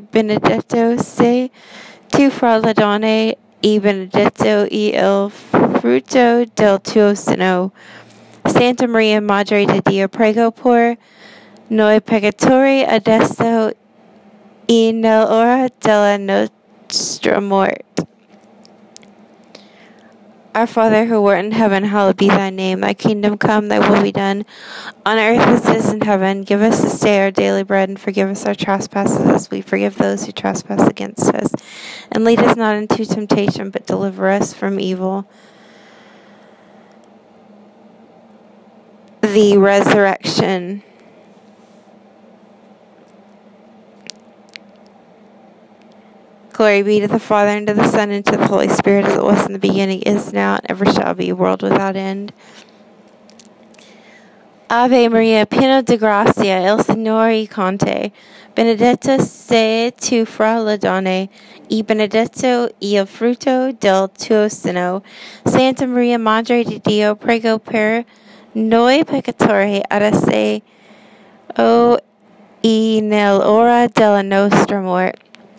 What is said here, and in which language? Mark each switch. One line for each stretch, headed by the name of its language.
Italian: Benedetto sei tu fra le donne e benedetto è il frutto del tuo seno. Santa Maria, Madre di Dio, prego per noi peccatori adesso e nell'ora della nostra morte.
English: Our Father, who art in heaven, hallowed be thy name. Thy kingdom come, thy will be done, on earth as it is in heaven. Give us this day our daily bread, and forgive us our trespasses, as we forgive those who trespass against us. And lead us not into temptation, but deliver us from evil. The Resurrection. Glory be to the Father, and to the Son, and to the Holy Spirit, as it was in the beginning, is now, and ever shall be, world without end.
Italian: Ave Maria, piena di grazia, il Signore è con te. Benedetta sei tu fra le donne, e benedetto è il frutto del tuo seno. Santa Maria, Madre di Dio, prego per noi peccatori, adesso e nell'ora della nostra morte.